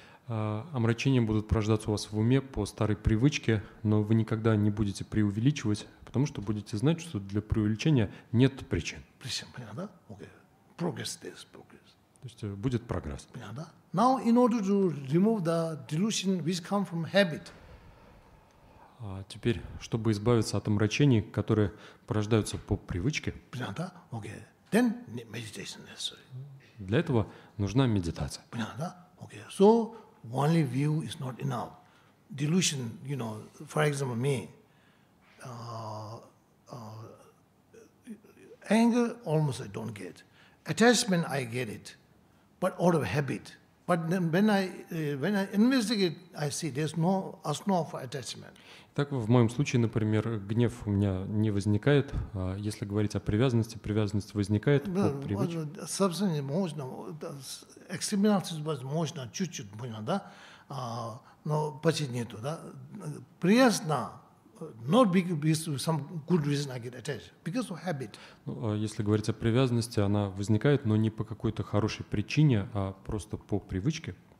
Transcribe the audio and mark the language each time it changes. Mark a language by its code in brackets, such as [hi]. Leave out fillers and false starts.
[ru] Омрачения будут порождаться у вас в уме по старой привычке, но вы никогда не будете преувеличивать, потому что будете знать, что для преувеличения нет причин. Причин, понятно, да? [en] Okay. Progress is progress. [ru] То есть будет прогресс. Понятно, да? [en] Now, in order to remove the delusion which come from habit. [ru] А теперь, чтобы избавиться от омрачений, которые порождаются по привычке, понятно, да? [en] Okay. Then meditation necessary. [ru] Для этого нужна медитация. Понятно, да? [en] Okay. So only view is not enough. Delusion, you know, for example, me, anger almost I don't get. Attachment I get it, but out of habit. But then when I investigate, I see there's no основа for attachment. [ru] Так в моем случае, например, гнев у меня не возникает. Если говорить о привязанности, привязанность возникает по привычке. Собственно, можно, экстремизация возможно, чуть-чуть, понял, да? Но почти нету, да? [en] Приятно, not because of some good reason I get attached, because of habit. [ru] Если говорить о привязанности, она возникает, но не по какой-то хорошей причине, а просто по привычке.